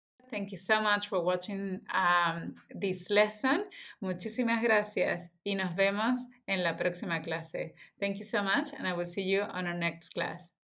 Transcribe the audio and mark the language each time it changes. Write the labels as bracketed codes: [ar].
[en] Thank you so much for watching this lesson. [es] Muchísimas gracias y nos vemos en la próxima clase. [en] Thank you so much and I will see you on our next class.